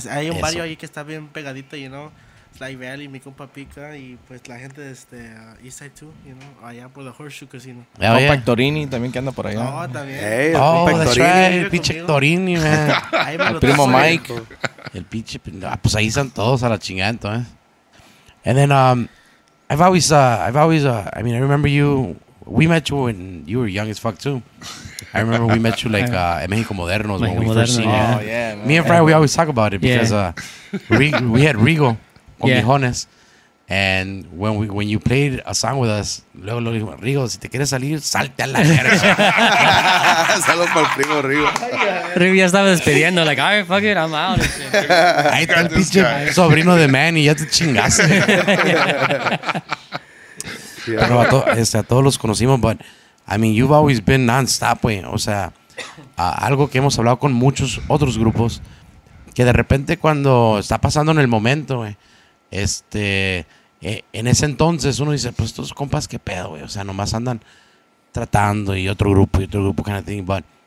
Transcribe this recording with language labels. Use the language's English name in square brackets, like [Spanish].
[Spanish] Hay un barrio ahí que está bien pegadito, Slag Valley, mi compa Pica, y pues la gente de East Side [English] too, [Spanish] allá por el Horseshoe Casino. Mi compa Hectorini también, que anda por allá. No, también. [English] That's right, [Spanish] el pinche Hectorini, man. El primo Mike. El pinche, pues ahí están todos a la chingada, entonces. [English] And then, I remember you, we met you when you were young as fuck too. I remember we met you en Mexico Modernos, when we first seen you. Oh, yeah, me and Fry, we always talk about it because we had Rigo. [Spanish] Mijones. [English] And when you played a song with us, [Spanish] luego lo dijo, Rigo, si te quieres salir, salte a la verga. Saludos para el primo Rigo. Rigo ya estaba despidiendo, [English] like, all right, fuck it, I'm out. [Spanish] Ahí está el pinche sobrino de Manny, ya te chingaste. Pero a todos los conocimos, [English] but I mean, you've always been non-stop, [Spanish] wey. O sea, algo que hemos hablado con muchos otros grupos, que de repente cuando está pasando en el momento, wey, en ese entonces uno dice, pues estos compas, qué pedo, güey. O sea, nomás andan tratando y otro grupo [English] kind of thing. But